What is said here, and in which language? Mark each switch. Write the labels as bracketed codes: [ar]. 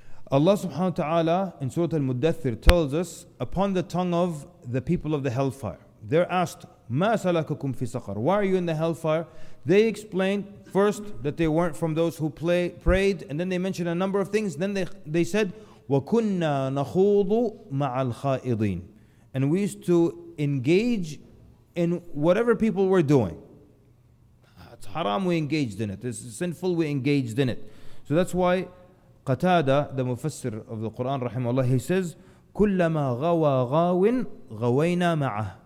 [en] Allah subhanahu wa ta'ala in Surah Al-Muddathir tells us, upon the tongue of the people of the hellfire, they're asked, [ar] مَا سَلَكَكُمْ فِي سَقَرْ? [en] Why are you in the hellfire? They explain first that they weren't from those who prayed, and then they mentioned a number of things. Then they said, [ar] وَكُنَّا نَخُوضُ مَعَ الْخَائِضِينَ. [en] And we used to engage in whatever people were doing. It's haram, we engaged in it. It's sinful, we engaged in it. So that's why Qatada, the Mufassir of the Quran, rahimahullah, he says, [ar] كُلَّمَا غَوَى غَاوٍ غَوَيْنَا مَعَهُ.